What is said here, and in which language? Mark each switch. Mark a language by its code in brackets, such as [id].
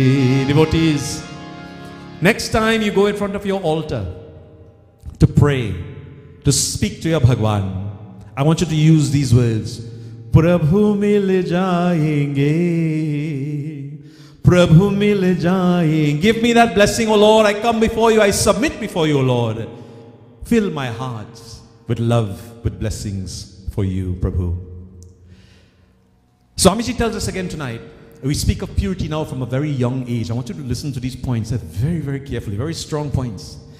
[en] Devotees, next time you go in front of your altar to pray, to speak to your Bhagwan, I want you to use these words. [hi] प्रभु मिल जाएंगे, प्रभु मिल जाएंगे। [en] Give me that blessing, O Lord. I come before you, I submit before you, O Lord. Fill my heart with love, with blessings for you, Prabhu. Swamiji tells us again tonight, we speak of purity now from a very young age. I want you to listen to these points very, very carefully, very strong points.